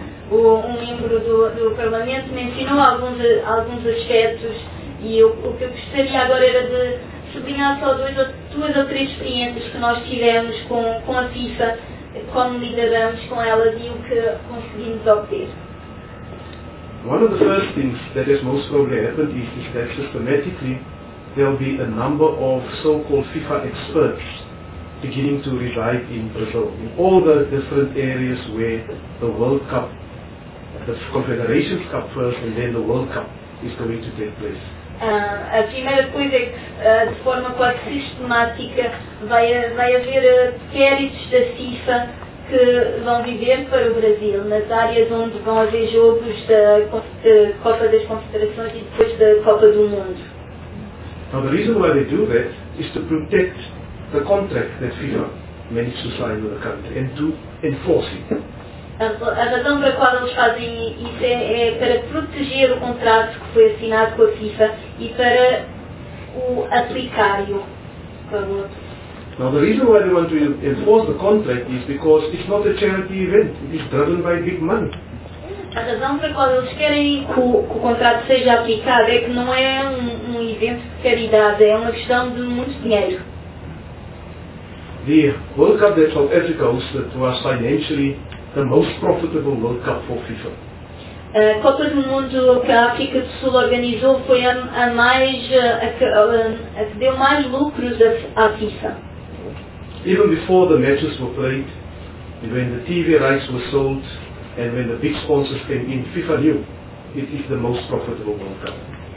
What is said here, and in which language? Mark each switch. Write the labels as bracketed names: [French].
[Portuguese] Um membro do Parlamento mencionou alguns aspectos e o que eu gostaria agora era de sublinhar só duas ou três experiências que nós tivemos com a FIFA, como lidamos com elas e o que conseguimos obter. [English] One of the first things that has most probably happened is that systematically there will be a number of so-called FIFA experts beginning to reside in Brazil, in all the different areas where the World Cup, the Confederations Cup first, and then the World Cup is going to take place. [Portuguese] A primeira coisa é que, de forma quase sistemática, vai haver inquéritos da FIFA que vão viver para o Brasil, nas áreas onde vão haver jogos da Copa das Confederações e depois da Copa do Mundo. [English] Now the reason why they do that is to protect the contract that FIFA managed to sign with the country and to enforce it. [Portuguese] A razão para a qual eles fazem isso é para proteger o contrato que foi assinado com a FIFA e para o aplicar o valor. [English] Now the reason why they want to enforce the contract is because it's not a charity event. It is driven by big money. [Portuguese] A razão para a qual eles querem que o contrato seja aplicado é que não é um evento de caridade, é uma questão de muito dinheiro. [English] The World Cup that South Africa hosted was financially the most profitable World Cup for FIFA. [Portuguese] A Copa do Mundo que a África do Sul organizou foi a que deu mais lucros à FIFA. [English] Even before the matches were played, when the TV rights were sold, and when the big sponsors came in, FIFA knew it is the most profitable World Cup.